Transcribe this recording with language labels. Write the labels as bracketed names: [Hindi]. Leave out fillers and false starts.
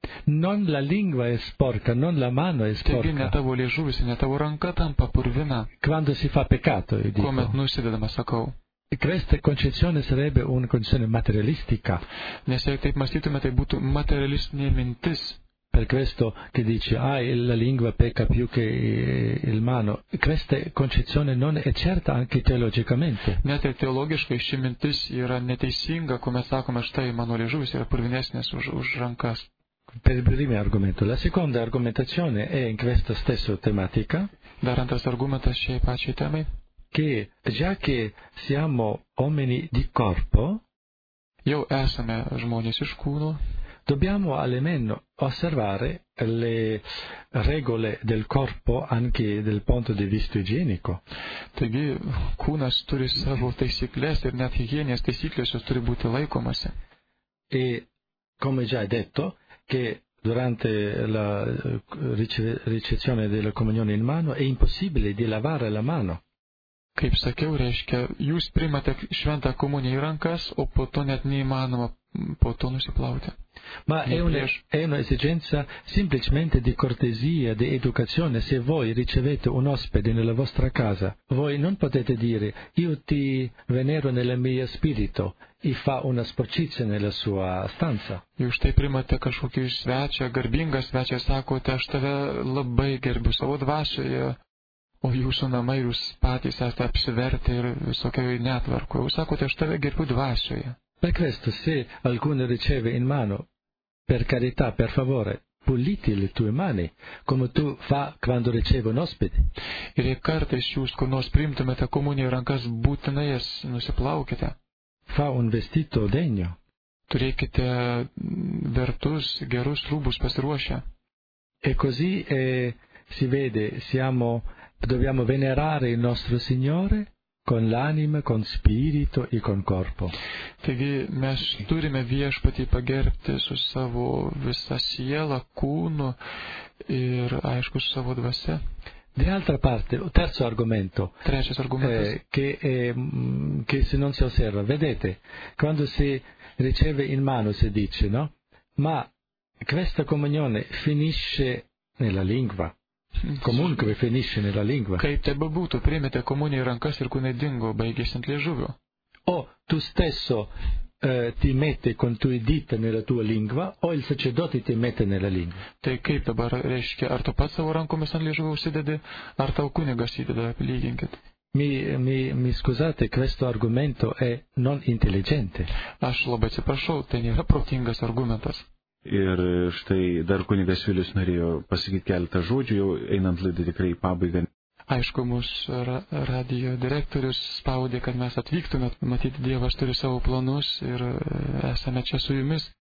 [Italian] Non la lingua è sporca, non la mano è sporca. [Lithuanian] Taigi ne tavo liežuvis, ne tavo ranka tampa purvina. [Italian] Quando si fa peccato, io dico. [Lithuanian] Kuomet nusidedama, sakau. [Italian] Questa concezione sarebbe una concezione materialistica. [Lithuanian] Nes jei taip mąstytume, tai būtų materialistinė mintis. [Italian] Per questo che dice, la lingua pecca più che il mano. Questa concezione non è certa anche teologicamente. [Lithuanian] Net ir teologiškai ši mintis yra neteisinga, kuomet sakome, štai mano liežuvis yra purvinesnės už rankas. [Italian] Per il primo argomento. La seconda argomentazione è in questa stessa tematica. [Lithuanian] Dar antras argumentas šiai pačiai temai. [Italian] Che già che siamo uomini di corpo, [Lithuanian] jau esame žmonės iš kūno, [Italian] dobbiamo almeno osservare le regole del corpo anche dal punto di vista igienico. [Lithuanian] Taigi, kūnas turi savo taisyklės ir net higienės taisyklės jos turi būti laikomasi. [Italian] E, come già detto, che durante la ricezione della comunione in mano è impossibile di lavare la mano. [Lithuanian] Kaip sakiau, reiškia, jūs primate šventą komuniją į rankas, o po to net neįmanoma po to nusiplauti. [Italian] Ma è una esigenza semplicemente di cortesia, di educazione. Se voi ricevete un ospite nella vostra casa, voi non potete dire, io ti venero nel mio spirito, e fa una sporcizia nella sua stanza. [Lithuanian] Jūs tai primate kažkokį svečią, garbingą svečią, sakote, aš tave labai gerbiu savo dvasioje. O jūsų namai jūs patys esate apsivertę ir visokioj netvarkoj. Jūs sakote, aš tave gerbiu dvasioje. [Italian] Per questo, se alcuno riceve in mano, per carità, per favore, puliti le tue mani, come tu fa quando ricevi un ospite. [Lithuanian] Ir jei kartais jūs, kur nors priimtumėte komuniją rankas, būtinai jas nusiplaukite. [Italian] Fa un vestito degno. [Lithuanian] Turėkite vertus, gerus rūbus pasiruošę. [Italian] E così si vede, siamo... Dobbiamo venerare il nostro Signore con l'anima, con spirito e con corpo. [Lithuanian] Taigi, mes turime viešpatį pagerbti su savo visa siela, kūnu ir, aišku, su savo dvasia. [Italian] Di altra parte, terzo argomento. [Lithuanian] Trečias argumentas. [Italian] Che se non si osserva, vedete, quando si riceve in mano si dice, no? Ma questa comunione finisce nella lingua. Comunque finisce nella lingua. [Lithuanian] Kaip te bebūtų, priimėte komuniją į rankas ir kūnai dingo, baigėsi ant liežuvio. [Italian] O tu stesso ti metti con tui dita nella tua lingua, o il sacerdote ti mette nella lingua. [Lithuanian] Tai kaip dabar reiškia, ar tu pats savo rankomis ant liežuvio užsidedi, ar tau kunigas įdeda, lyginkit. [Italian] Mi scusate, questo argomento è non intelligente. [Lithuanian] Aš labai atsiprašau, tai nėra protingas argumentas. Ir štai dar kunigas Vilius norėjo pasakyti keletą žodžių, jau einant laidą tikrai į pabaigą. Aišku, mūsų radio direktorius spaudė, kad mes atvyktume, matyti Dievas turi savo planus ir esame čia su jumis.